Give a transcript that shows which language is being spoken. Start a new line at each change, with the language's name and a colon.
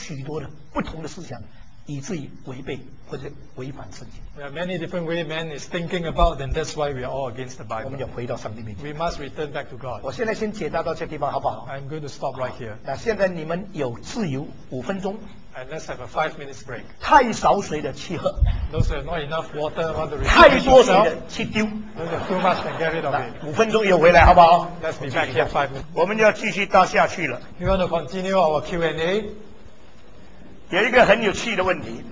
Chinese: 所以人的宗教思想会有许多许多的不同的思想。以至于违背或者违反圣经。
English: There are many different ways man is thinking about, and that's why we are all against the Bible.
Chinese: 我们要回到上帝面前。
English: We must return back to God.
Chinese: 我现在先解答到这地方好不好？
English: I'm going to stop right here.
Chinese: 那现在你们有自由5分钟。
English: And let's have a 5 minutes break.
Chinese: 太少水的去喝。
English: Those who have not enough water want to return.
Chinese: 太多水的去丢。
English: Those are too much and get rid of it.
Chinese: 5分钟又回来好不好？
English: Let's be back here 5 minutes.
Chinese: 我们要继续到下去了。
English: We want to continue our Q&A.
Chinese: 有一个很有趣的问题。